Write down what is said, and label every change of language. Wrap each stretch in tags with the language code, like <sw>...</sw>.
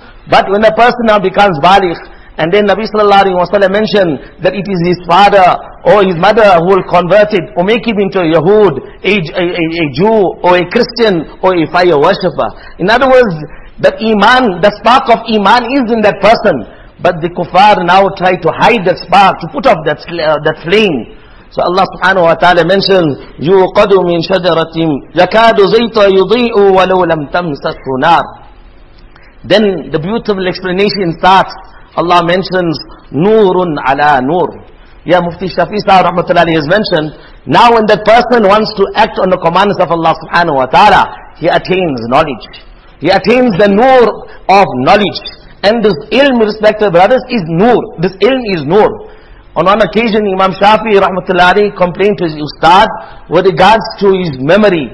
<en>But when a person now becomes baligh, and then Nabi sallallahu alayhi wa sallam mentioned that it is his father or his mother who will convert it or make him into a Yahud, a Jew or a Christian or a fire worshipper. In other words, that iman, the spark of iman is in that person. But the kuffar now try to hide that spark, to put off that flame.</en> <ar>So Allah subhanahu wa ta'ala mentions, يُوْقَدُ مِنْ شَجَرَةٍ يَكَادُ زَيْتَ يُضِيءُ وَلَوْ لَمْ تَمْسَسْهُ نَارٍ.</ar> <en>Then the beautiful explanation starts. Allah mentions,</en> <ar>نُورٌ عَلَى نُورٍ.</ar> <en>Yeah, Mufti Shafi Sahib rahmatullahi has mentioned, now when that person wants to act on the commands of Allah subhanahu wa ta'ala, he attains knowledge. He attains the nur of knowledge. And this ilm, respected brothers, is nur. This ilm is nur. On one occasion, Imam Shafi rahmatullahi complained to his ustad with regards to his memory.</en>